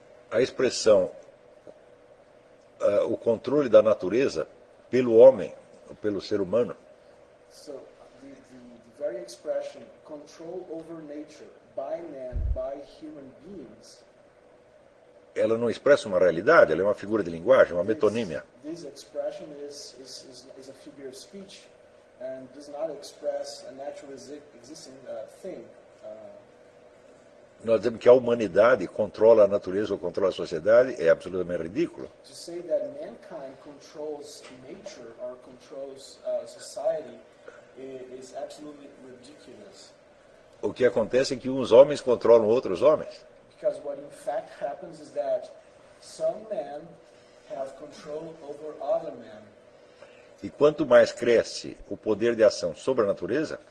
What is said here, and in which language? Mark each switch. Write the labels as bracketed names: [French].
[Portuguese] A expressão o controle da natureza pelo homem, pelo ser humano. [English] So the very expression control over nature by man, by human beings, [Portuguese] ela não expressa uma realidade, ela é uma figura de linguagem, uma metonímia. [English] This expression is a figure of speech and does not express a natural existing thing. [Portuguese] Nós dizemos que a humanidade controla a natureza ou controla a sociedade é absolutamente ridículo. [English] To say that mankind controls nature or controls society is absolutely ridiculous. [Portuguese] o que acontece é que uns homens controlam outros homens. [English] Because what in fact happens is that some men have control over other men. [Portuguese] E quanto mais cresce o poder de ação sobre a natureza,